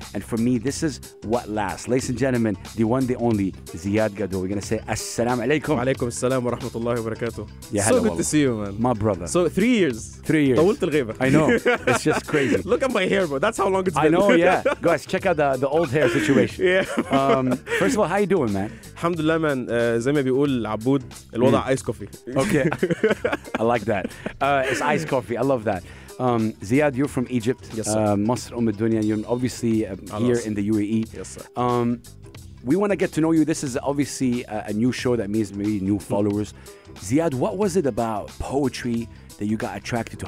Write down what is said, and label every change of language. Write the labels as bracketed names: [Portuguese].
[English] And for me, this is what lasts. Ladies and gentlemen, the one, the only, Ziad Gadou. We're going to say assalamu alaikum. [Arabic] Wa alaikum assalam wa rahmatullahi wa barakatuh. [English] Yeah, so good to see you, man. My brother. So 3 years. 3 years. [Arabic] طولت الغيبة. [English] I know. It's just crazy. Look at my hair, bro. That's how long it's been. I know, yeah. Guys, check out the old hair situation. Yeah. First of all, how you doing, man? Alhamdulillah, man. [Arabic] زي ما بيقول العبود, الوضع ice coffee. [English] Okay. I like that. It's ice coffee. I love that. Ziad, you're from Egypt. Yes, sir. [Arabic] Masr Umm Dunya. [English] You're obviously here in the UAE. Yes, sir. We want to get to know you. This is obviously a new show that means maybe new followers. Ziad, what was it about poetry that you got attracted to?